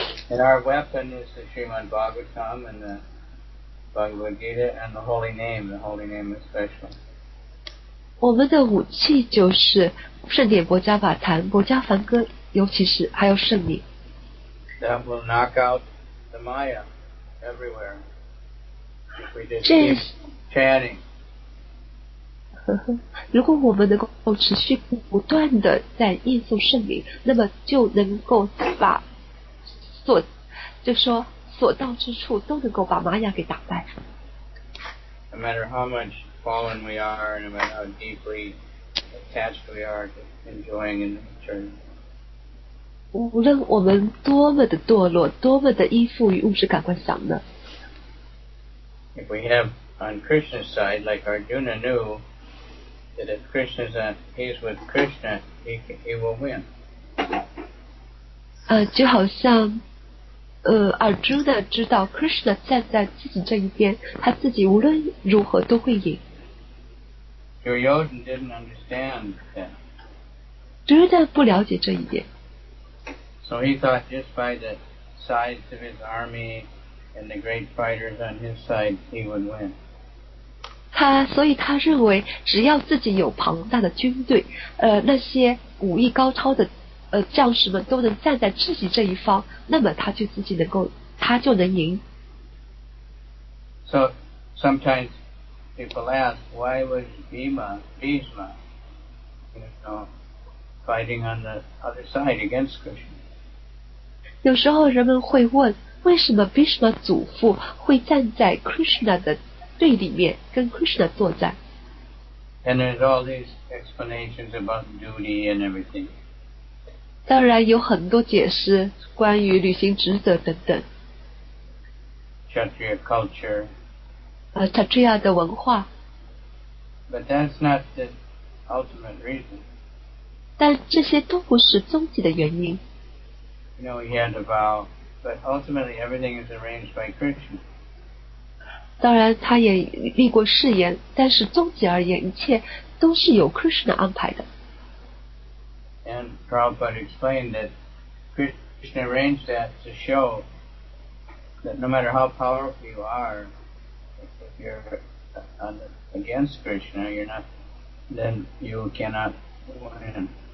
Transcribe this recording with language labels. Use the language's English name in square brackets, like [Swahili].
[English] And our weapon is the Srimad Bhagavatam and the Bhagavad Gita and the holy name. The holy name is special. [Chinese] 我们的武器就是圣典薄伽梵坛、薄伽梵歌，尤其是还有圣名。 [English] That will knock out the Maya everywhere. If we just keep chanting. [Chinese] 如果我们能够持续不断的在念诵圣名，那么就能够把所就说所到之处都能够把玛雅给打败。 [English] No matter how much. Fallen we are, no matter how deeply attached we are to enjoying in the material. [Chinese] 无论我们多么的堕落，多么的依附于物质感官享乐。 [English] If we have on Krishna's side, like Arjuna knew, that if Krishna's at peace with Krishna, he will win. [Chinese] 就好像。Arjuna 知道 Krishna 站在自己这一边，他自己无论如何都会赢。 [English] Duryodhana didn't understand that. [Chinese] Duryodhana 不了解这一点。 [English] So he thought just by the size of his army and the great fighters on his side, he would win. [Chinese] 所以他认为只要自己有庞大的军队，那些武艺高超的将士们都能站在自己这一方，那么他就自己能够，他就能赢。 [English] So sometimes people ask, why was Bhishma, you know, fighting on the other side against Krishna? [Chinese] 有时候人们会问，为什么 Bhishma 祖父会站在 Krishna 的对立面，跟 Krishna 作战 [English] ？And there's all these explanations about duty and everything. [Chinese] 当然有很多解释关于履行职责等等 [English] Kshatriya culture [Chinese] Kshatriya 的文化 [English] But that's not the ultimate reason [Chinese] 但这些都不是终极的原因 [English] You know he had a vow But ultimately everything is arranged by Krishna [Chinese] 当然他也立过誓言但是终极而言一切都是由 Krishna 安排的 [English] And Prabhupada explained that Krishna arranged that to show that no matter how powerful you are, if you're against Krishna, you're not, then you cannot win.